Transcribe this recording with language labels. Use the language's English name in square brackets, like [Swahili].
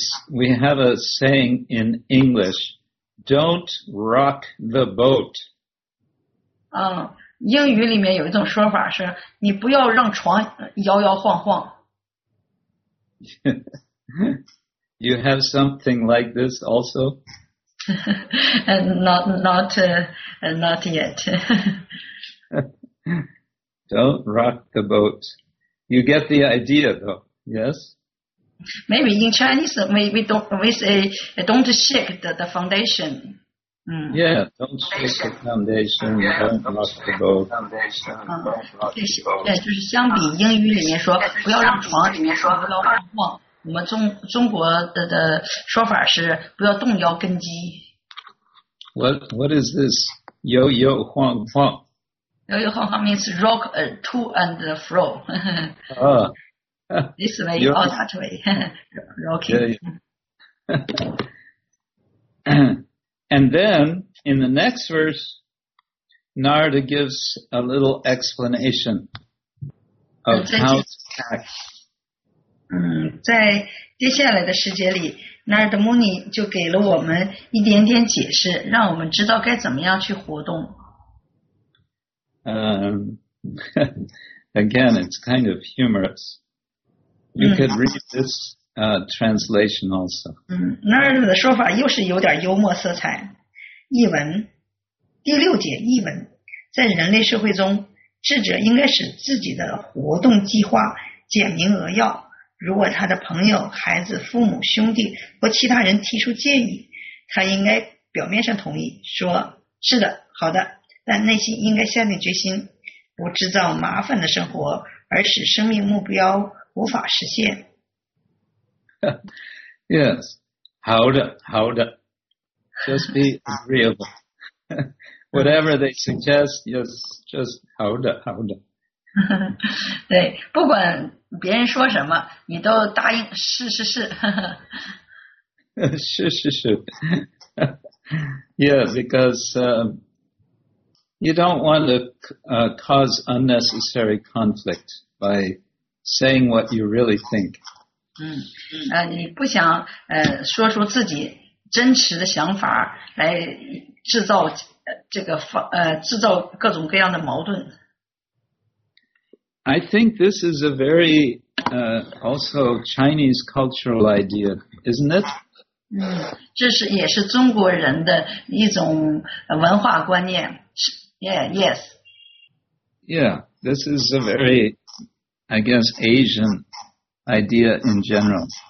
[English] We have a saying in English, don't rock the boat. [Chinese] 英语里面有一种说法是你不要让船摇摇晃晃。 [English] You have something like this also? not yet. Don't rock the boat. You get the idea though, yes? Maybe in Chinese, maybe we say don't shake the foundation.、 Yeah, don't shake the foundation. Yeah, don't rock the boat. [Chinese] 就是相比英语里面说不要让床里面说不要晃晃，我们中国的说法是不要动摇根基。 [English] What is this? [Chinese] Yo yo huang huang. Yo yo huang huang [English] means rock to and fro. Ah. This way, or that way, rocking. Yeah, yeah. And then, in the next verse, Narada gives a little explanation of how to act. [Chinese] 在接下来的时节里 ，Narada Muni 就给了我们一点点解释，让我们知道该怎么样去活动。 [English] Again, it's kind of humorous. You could read this translation also. [Chinese] Narada 的说法又是有点幽默色彩。译文，第六节译文，在人类社会中，智者应该使自己的活动计划简明扼要。如果他的朋友、孩子、父母、兄弟或其他人提出建议，他应该表面上同意，说是的，好的，但内心应该下定决心，不制造麻烦的生活，而使生命目标无法实现。 [English] Yes, [Chinese] 好的，好的。 [English] Just be agreeable. Whatever they suggest, yes, just [Chinese] 好的，好的。对，不管别人说什么，你都答应是是是。是是是。 [English] Yeah, because you don't want to cause unnecessary conflict by. Saying what you really think. [Chinese] 你不想说出自己真实的想法来制造这个制造各种各样的矛盾。 [English] I think this is a very also Chinese cultural idea, isn't it? [Chinese] 这是也是中国人的一种文化观念。 [English] Yeah, yes. Yeah, this is a very. I guess Asian idea in general.